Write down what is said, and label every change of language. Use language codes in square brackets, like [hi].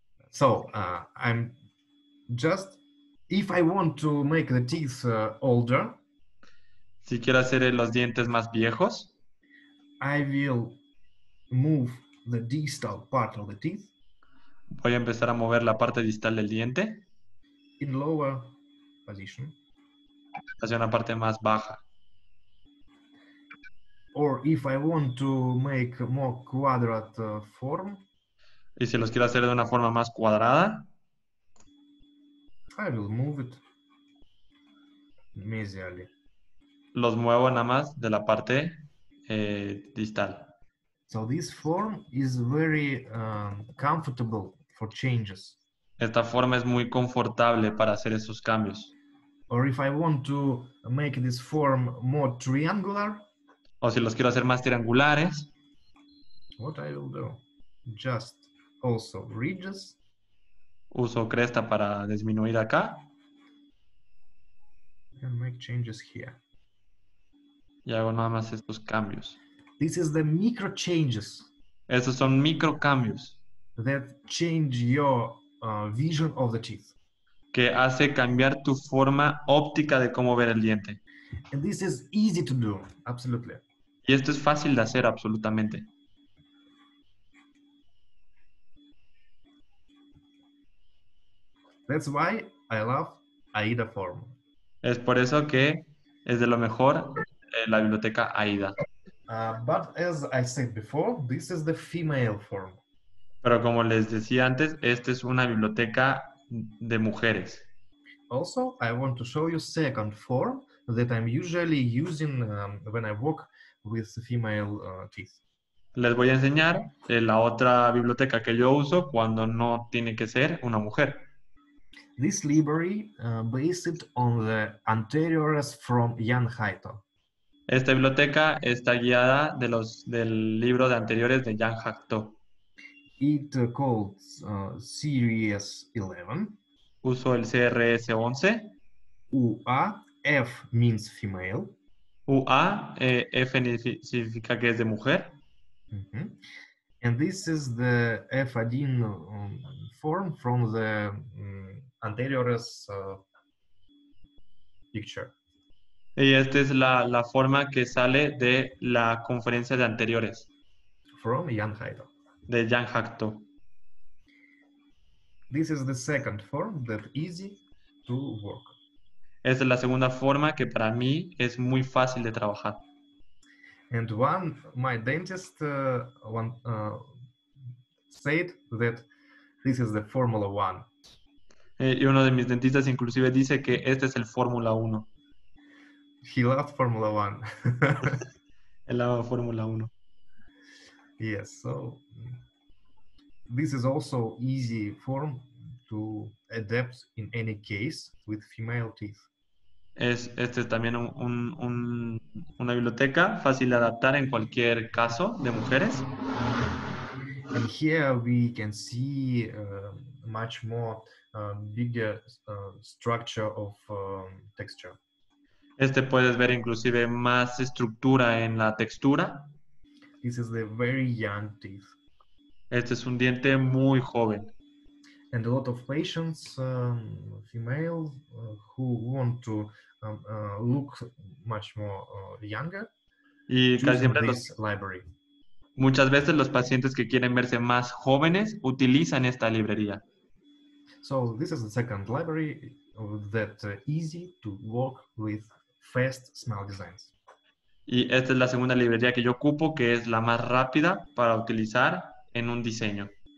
[en] So, I'm just, if I want to make the teeth older, [es] si quiero hacer los dientes más viejos, [en] I will move the distal part of the teeth, [es] voy a empezar a mover la parte distal del diente, [en] in lower position, [es] hacia una parte más baja. [en] Or if I want to make a more quadrate form. [es] Y si los quiero hacer de una forma más cuadrada. [en] I will move it mesially. [es] Los muevo nada más de la parte distal. [en] So this form is very comfortable for changes. [es] Esta forma es muy confortable para hacer esos cambios. [en] Or if I want to make this form more triangular. [es] O si los quiero hacer más triangulares. [en] What I will do? Just also ridges. [es] Uso cresta para disminuir acá. [en] And make changes here. [es] Y hago nada más estos cambios. [en] This is the micro changes. [es] Estos son micro cambios. [en] That change your vision of the teeth. [es] Que hace cambiar tu forma óptica de cómo ver el diente. [en] And this is easy to do, absolutely. [es] Y esto es fácil de hacer, absolutamente. [en] That's why I love AIDA form. [es] Es por eso que es de lo mejor la biblioteca AIDA. [en] But as I said before, this is the female form. [es] Pero como les decía antes, esta es una biblioteca de mujeres. [en] Also, I want to show you second form that I'm usually using when I work with female teeth. [es] Les voy a enseñar la otra biblioteca que yo uso cuando no tiene que ser una mujer. [en] This library based on the anteriores from Jan Haito. [es] Esta biblioteca está guiada de los del libro de anteriores de Jan Haito. [en] It called series 11. [es] Uso el CRS 11. [en] UAF means female. [es] UAF significa que es de mujer. Mm-hmm. [en] And this is the F-adin form from the anteriores picture. [es] Y esta es la forma que sale de la conferencia de anteriores. [en] From Jan Haito. [es] De Jan Haito. [en] This is the second form that easy to work. [es] Esta es la segunda forma que para mí es muy fácil de trabajar. [en] And one, my dentist said that this is the Formula One. [es] Y uno de mis dentistas inclusive dice que este es el Fórmula 1. [en] He loved Formula One. [es] Él ama Fórmula 1. [en] Yes, so this is also easy form to adapt in any case with female teeth. [es] Este es también una biblioteca fácil de adaptar en cualquier caso de mujeres. [en] And here we can see much more bigger structure of texture. [es] Este puedes ver inclusive más estructura en la textura. [en] This is the very young teeth. [es] Este es un diente muy joven. [en] And a lot of patients, females, who want to look much more younger, [es] y casi siempre [en] this library. [es] Muchas veces los pacientes que quieren verse más jóvenes utilizan esta librería. [en] So this is the second library that easy to work with fast smile designs. [es] Y esta es la segunda librería que yo ocupo, que es la más rápida para utilizar en un diseño.